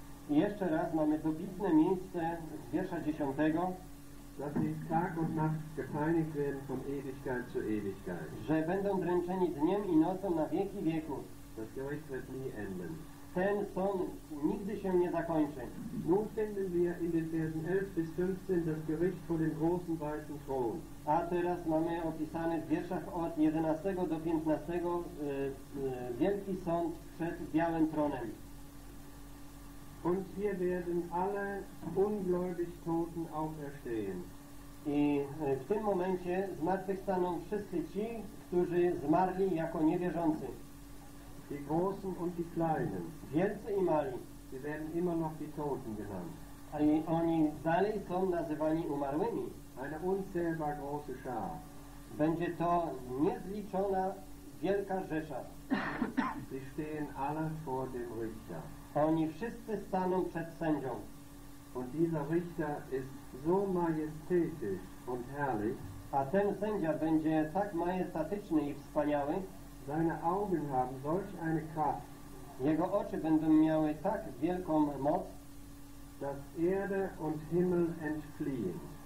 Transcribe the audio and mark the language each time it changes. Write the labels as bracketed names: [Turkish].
[Polish] I jeszcze raz mamy dobitne miejsce z wiersza 10. [German] Dass sie Tag und Nacht gepeinigt werden von Ewigkeit zu Ewigkeit. [Polish] Że będą dręczeni dniem i nocą na wieki wieków. [German] Das Gericht wird nie enden. [Polish] Ten sąd nigdy się nie zakończy. [German] Nun finden wir in den Versen 11 bis 15 das Gericht vor dem großen weißen Thron. [Polish] A teraz mamy opisane w wierszach od 11 do 15 wielki sąd przed białym tronem. [German] Und hier werden alle ungläubig Toten auferstehen. [Polish] I w tym momencie zmartwychwstaną wszyscy ci, którzy zmarli jako niewierzący. [German] Die großen und die kleinen. [Polish] Wielcy i mali. [German] Sie werden immer noch die Toten genannt. [Polish] A i oni dalej są nazywani umarłymi. [German] Eine unzählbar große Schar. [Polish] Będzie to niezliczona wielka rzesza. [German] Sie stehen alle vor dem Richter. [Polish] Oni wszyscy staną przed sędzią. [German] Und dieser Richter ist so majestätisch und herrlich. [Polish] A ten sędzia będzie tak majestatyczny i wspaniały. [German] Seine Augen haben solch eine Kraft. [Polish] Jego oczy będą miały tak wielką moc, [German] dass Erde und Himmel entfliehen.